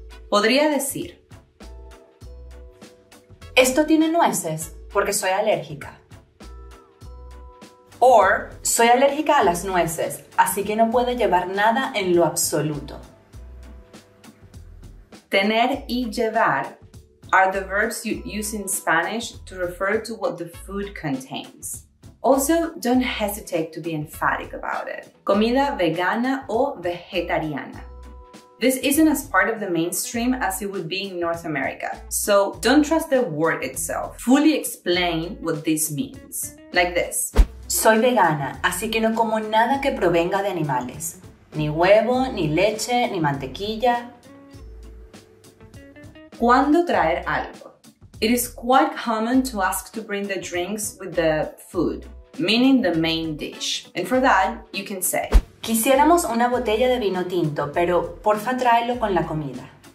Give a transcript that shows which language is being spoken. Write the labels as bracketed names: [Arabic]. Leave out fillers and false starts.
[Spanish] Podría decir, esto tiene nueces porque soy alérgica. Or, soy alérgica a las nueces, así que no puedo llevar nada en lo absoluto. [English] Tener y llevar are the verbs you use in Spanish to refer to what the food contains. Also, don't hesitate to be emphatic about it. [Spanish] Comida vegana o vegetariana. [English] This isn't as part of the mainstream as it would be in North America, so don't trust the word itself. Fully explain what this means. Like this. [Spanish] Soy vegana, así que no como nada que provenga de animales. Ni huevo, ni leche, ni mantequilla. ¿Cuándo traer algo? [English] It is quite common to ask to bring the drinks with the food, meaning the main dish. And for that, you can say, [Spanish] quisiéramos una botella de vino tinto, pero porfa tráelo con la comida.